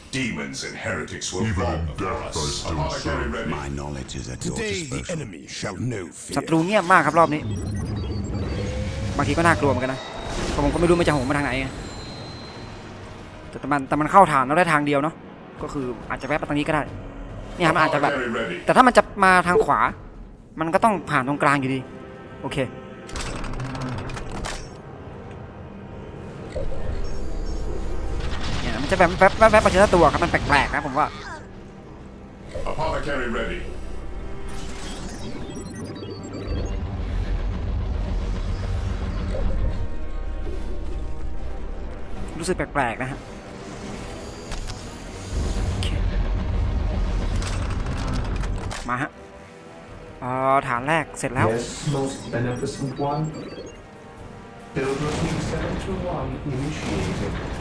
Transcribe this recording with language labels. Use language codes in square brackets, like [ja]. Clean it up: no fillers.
[en] Demons and heretics will Even fall before us. Even death, I still serve. My knowledge is at your disposal. Today, the enemy shall know fear. [th] ศัตรูเงียบมากครับรอบนี้บางทีก็น่ากลัวเหมือนกันนะผมก็ไม่รู้มันจะโหมมาทางไหน แต่มันเข้าฐานเราได้ทางเดียวเนาะก็คืออาจจะแวะไปตรงนี้ก็ได้เนี่ยมันอาจจะแบบแต่ถ้ามันจะมาทางขวามันก็ต้องผ่านตรงกลางอยู่ดีโอเคจะแบบไปเจอตัวครับมันแปลกๆนะผมว่า [en] Apothecary ready [th] รู้สึกแปลกๆนะฮะมาฮะฐานแรกเสร็จแล้ว [en] Yes, most beneficent one Build routine 721 initiated.